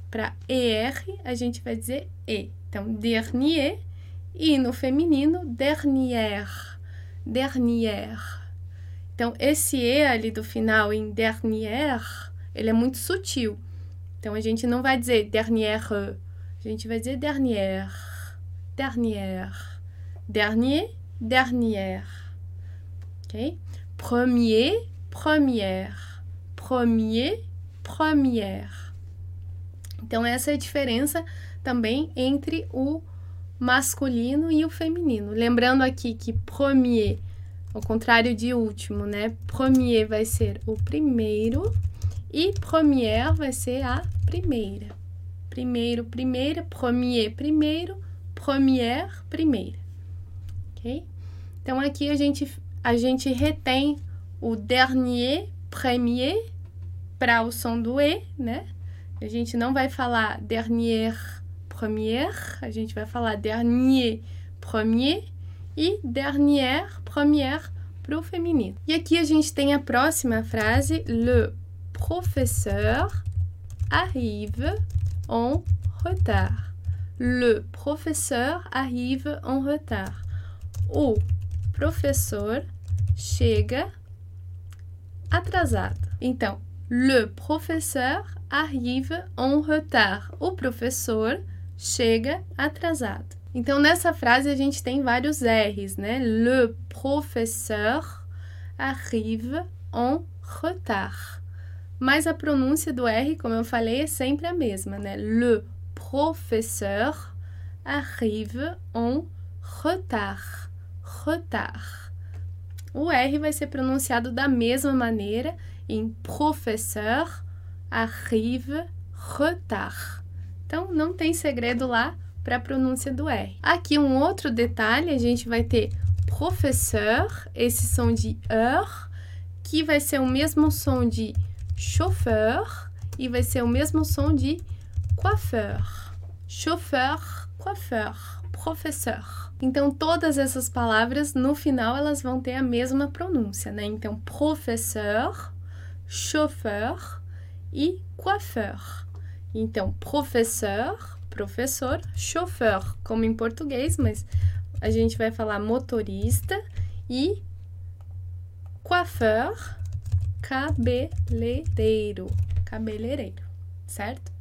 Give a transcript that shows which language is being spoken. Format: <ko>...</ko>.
<pt>Para ER, a gente vai dizer E. Então, dernier, e no feminino, dernière, dernière. Então, esse E ali do final em dernière, ele é muito sutil. Então, a gente não vai dizer dernière, a gente vai dizer dernière, dernière, dernier, dernière. Ok?</pt> <fr>Premier, première, premier, première.</fr> <pt>Então, essa é a diferença também entre o masculino e o feminino. Lembrando aqui que premier, ao contrário de último, né? Premier vai ser o primeiro e première vai ser a primeira. Primeiro, primeira, premier, primeiro, première, primeira. Ok? Então aqui a gente retém o dernier, premier, para o som do E, né? A gente não vai falar dernier, première, a gente vai falar dernier, premier e dernière, première. Para o feminino. E aqui a gente tem a próxima frase:</pt> <fr>Le professeur arrive en retard. Le professeur arrive en retard.</fr> <pt>O professor chega atrasado. Então,</pt> <fr>le professeur arrive en retard.</fr> <pt>O professor chega atrasado. Então, nessa frase a gente tem vários R's, né?</pt> <fr>Le professeur arrive en retard.</fr> <pt>Mas a pronúncia do R, como eu falei, é sempre a mesma, né?</pt> <fr>Le professeur arrive en retard. Retard.</fr> <pt>O R vai ser pronunciado da mesma maneira em professeur arrive retard. Então, não tem segredo lá. Para a pronúncia do R. Aqui um outro detalhe, a gente vai ter professeur, esse som de er, que vai ser o mesmo som de chauffeur e vai ser o mesmo som de coiffeur.</pt> <fr>Chauffeur, coiffeur, professeur.</fr> <pt>Então todas essas palavras no final elas vão ter a mesma pronúncia, né? Então professeur, chauffeur e coiffeur. Então professeur, professor, chauffeur, como em português, mas a gente vai falar motorista e coiffeur, cabeleireiro, cabeleireiro, certo?</pt>